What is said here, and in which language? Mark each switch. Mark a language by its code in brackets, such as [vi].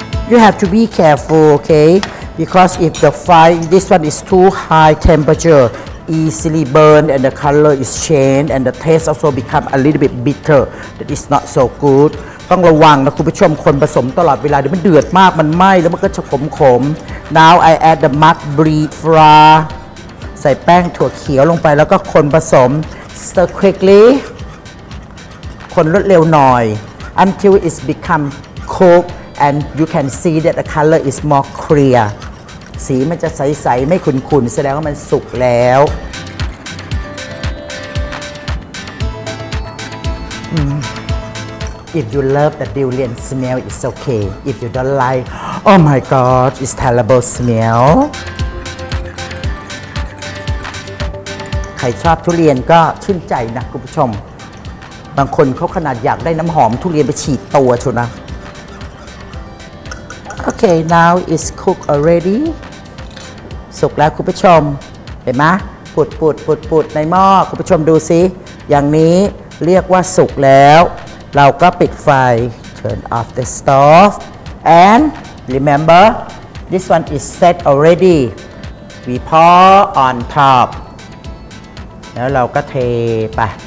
[en] you have to be careful okay because if the fire this one is too high temperatureEasily burn and the color is changed and the taste also become a little bit bitter that is not so good [th] ต้องระวังนะคุณผู้ชมคนผสมตลอดเวลาเดี๋ยวมันเดือดมากมันไหม้แล้วมันก็จะขม [en] Now I add the mug breed flour. [th] ใส่แป้งถั่วเขียวลงไปแล้วก็คนผสม [en] Stir quickly. [th] คนรวดเร็วหน่อย [en] Until it's become cooked and you can see that the color is more clear. [th] สีมันจะใสๆไม่ขุ่นๆแสดงว่ามันสุกแล้ว [en] If you love the durian smell, it's okay. If you don't like, oh my god, it's terrible smell. [th] ใครชอบทุเรียนก็ชื่นใจนะคุณผู้ชมบางคนเขาขนาดอยากได้น้ำหอมทุเรียนไปฉีดตัวชัวร์นะ [en] Okay, now it's cooked already. [th] สุกแล้วคุณผู้ชมเห็นไหมปุดในหม้อคุณผู้ชมดูสิอย่างนี้เรียกว่าสุกแล้วเราก็ปิดไฟ [en] turn off the stove and remember this one is set already we pour on top [th] แล้วเราก็เทไป